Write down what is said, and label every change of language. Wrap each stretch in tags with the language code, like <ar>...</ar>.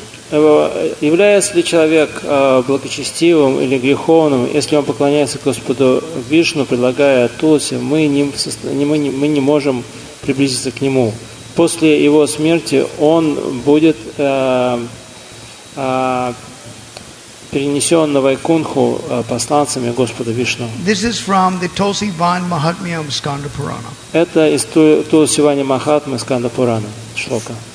<ru>Является ли человек благочестивым или греховным, если он поклоняется Господу Вишну, предлагая Туласи, мы не можем приблизиться к нему. После его смерти он будет перенесен на Вайкунху посланцами Господа Вишну.</ru> <en>This is from the Tulsivan Mahatmyam Skanda Purana.</en> <ru>Это из Тулсивани Махатмы Сканда Пурана, шлока.</ru>